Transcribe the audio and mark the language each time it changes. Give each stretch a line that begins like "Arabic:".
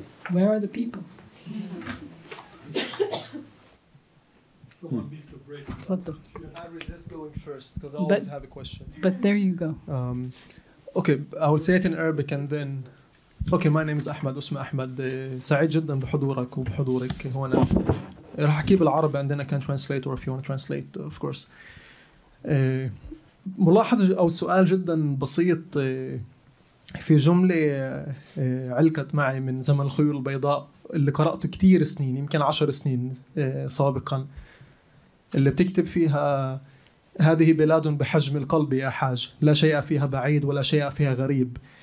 English: Where are the people? Someone needs to break. I resist going first because I always have a question. But there you go. Okay, I will say it in Arabic and then. Okay, my name is Ahmed.
Arabic: اسمي أحمد. سعيد جدا بحضورك وبحضورك هنا. راح أحكي بالعربي
English: and then I can translate, or if you want to translate, of course.
Arabic: ملاحظة أو سؤال جدا بسيط في جملة علقت معي من زمن الخيول البيضاء اللي قرأته كتير سنين، يمكن 10 سنين سابقا، اللي بتكتب فيها: هذه بلاد بحجم القلب يا حاج، لا شيء فيها بعيد ولا شيء فيها غريب.